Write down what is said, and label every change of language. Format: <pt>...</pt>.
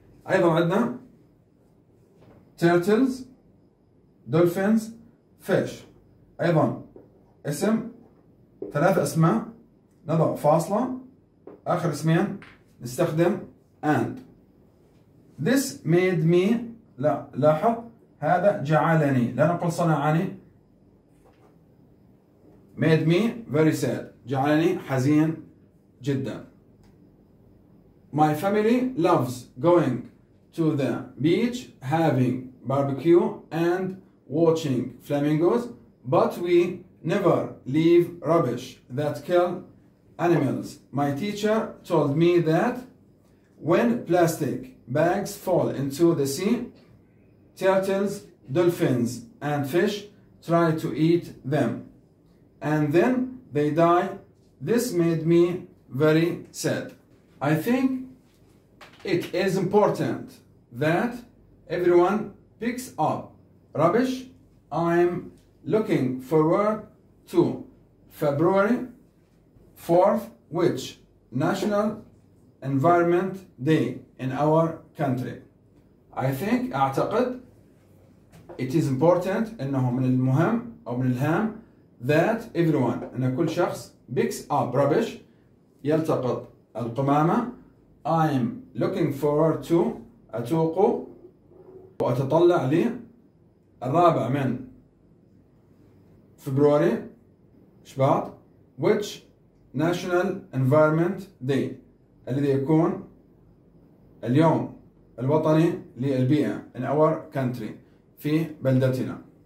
<ar>أيضا عندنا</ar> <en>turtles dolphins fish،</en> <ar>أيضا اسم ثلاث أسماء نضع فاصلة آخر اسمين نستخدم and.</ar> <en>This made me،</en> <ar>لا لاحظ هذا جعلني، لا نقول صنعني.</ar> <en>Made me very sad،</en> <ar>جعلني حزين جدا.</ar> <en>My family loves going to the beach having barbecue and watching flamingos but we never leave rubbish that kill animals. My teacher told me that when plastic bags fall into the sea, turtles, dolphins and fish try to eat them and then they die. This made me very sad. I think it is important that everyone picks up rubbish. I'm looking forward to February 4th, which National Environment Day in our country. I think,</en> <ar>أعتقد</ar> <en>it is important</en> <ar>إنه من المهم أو من الهام</ar> <en>that everyone،</en> <ar>إن كل شخص</ar> <en>picks up rubbish،</en> <ar>يلتقط القمامة.</ar> <en>I'm looking forward to،</en> <ar>أتوق وأتطلع لي الرابع من فبراير شباط</ar> <en>which National Environment Day،</en> <ar>الذي يكون اليوم الوطني للبيئة</ar> <en>in our country،</en> <ar>في بلدتنا.</ar>